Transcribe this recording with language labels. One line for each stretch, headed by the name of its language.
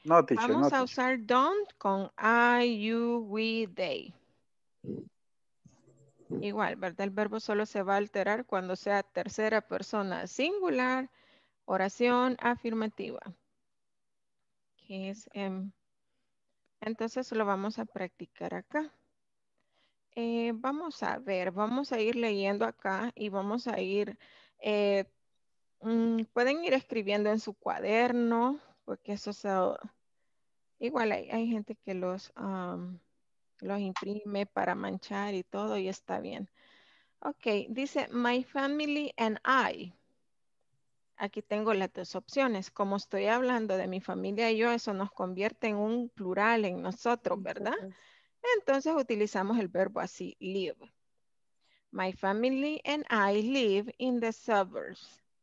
Spanish: No, teacher, vamos a usar don't con I, you, we, they. Igual, ¿verdad? El verbo solo se va a alterar cuando sea tercera persona singular, oración afirmativa. Que es, entonces lo vamos a practicar acá. Vamos a ver, vamos a ir leyendo acá y vamos a ir, pueden ir escribiendo en su cuaderno. Porque eso se, igual hay gente que los imprime para manchar y todo y está bien. Ok, dice
English: my family and I.
Spanish: Aquí tengo las dos opciones. Como estoy hablando de mi familia y yo, eso nos convierte en un plural en nosotros, ¿verdad? Entonces utilizamos el verbo así, live.
English: My family and I live in the suburbs.